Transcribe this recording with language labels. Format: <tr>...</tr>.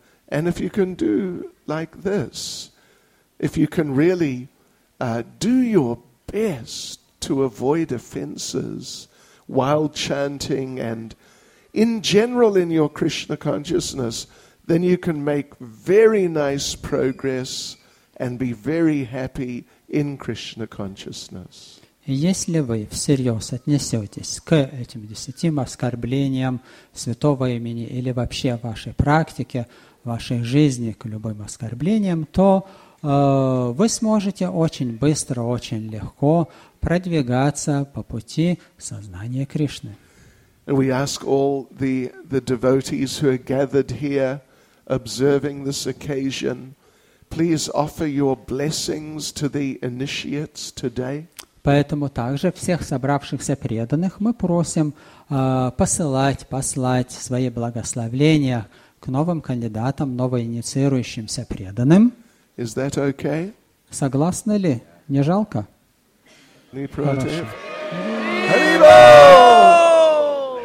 <en>And if you can do like this, if you can really do your best to avoid offenses while chanting and in general in your Krishna consciousness, then you can make very nice progress and be very happy in Krishna consciousness.</en> <ru>Если вы всерьез отнесетесь к этим десятим оскорблениям святого имени или вообще вашей практике, вашей жизни, к любым оскорблениям, то вы сможете очень быстро, очень легко продвигаться по пути сознания Кришны.</ru> <en>And we ask all the devotees who are gathered here, observing this occasion, please offer your blessings to the initiates today.</en> <ru>Поэтому также всех собравшихся преданных мы просим послать свои благословения к новым кандидатам, новоинициирующимся преданным.</ru> <en>Is that okay?</en> <ru>Согласны ли? Не жалко? Не против. Харибо!</ru>